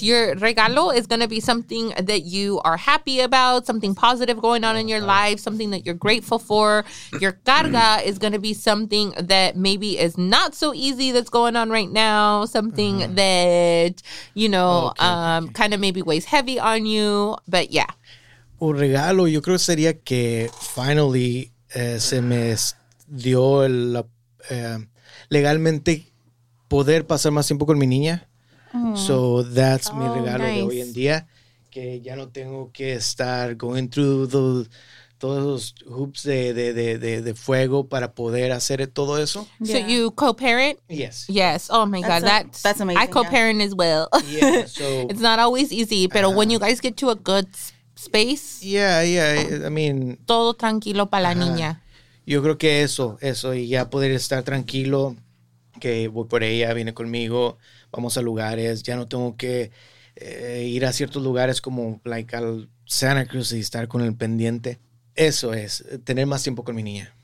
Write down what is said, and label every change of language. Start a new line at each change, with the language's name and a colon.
English: Your regalo is going to be something that you are happy about, something positive going on in your life, something that you're grateful for. Your carga is going to be something that maybe is not so easy that's going on right now, something that, you know, kind of maybe weighs heavy on you. But, yeah.
Spanish: Un regalo, yo creo sería que finally se me dio el, legalmente... poder pasar más tiempo con mi niña.
English: So that's
Spanish: mi regalo de hoy en día, que ya no tengo que estar
English: going through
Spanish: todos los hoops de fuego para poder hacer todo eso.
English: Yeah. So you co-parent? Yes. Yes. Oh my God. That's amazing. I co-parent as well. Yeah. So it's not always easy,
Spanish: pero
English: when you guys get to a good space. Yeah. I mean.
Spanish: Todo tranquilo para la niña. Yo creo que eso y ya poder estar tranquilo. Que voy por ella, viene conmigo, vamos a lugares, ya no tengo que ir a ciertos lugares como like al Santa Cruz y estar con el pendiente. Eso es, tener más tiempo con mi niña.